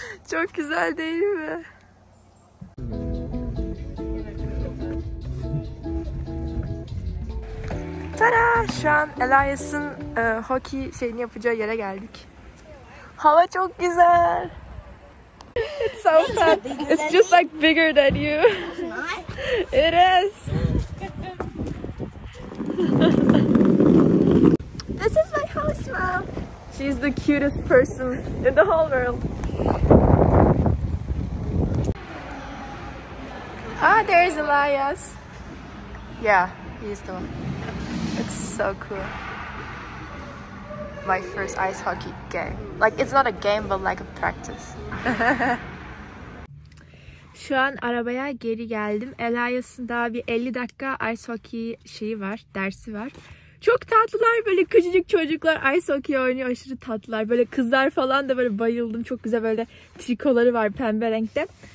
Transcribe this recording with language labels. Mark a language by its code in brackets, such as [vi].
[tr] Çok güzel değil mi? Tara, şu an Elias'ın hockey şeyini yapacağı yere geldik. Hava çok güzel. [en] It's so fun. It's just like bigger than you. It is. This is my host mom. She's the cutest person in the whole world. Ah, there is Elias. Yeah, he's the one. It's so cool. My first ice hockey game. Like, it's not a game, but like a practice. [tr] Şu an arabaya geri geldim. Elias'ın daha bir 50 dakika ice hockey şeyi var, dersi var. Çok tatlılar böyle, küçücük çocuklar ice hockey oynuyor, aşırı tatlılar. Böyle kızlar falan da böyle bayıldım. Çok güzel böyle trikoları var pembe renkte.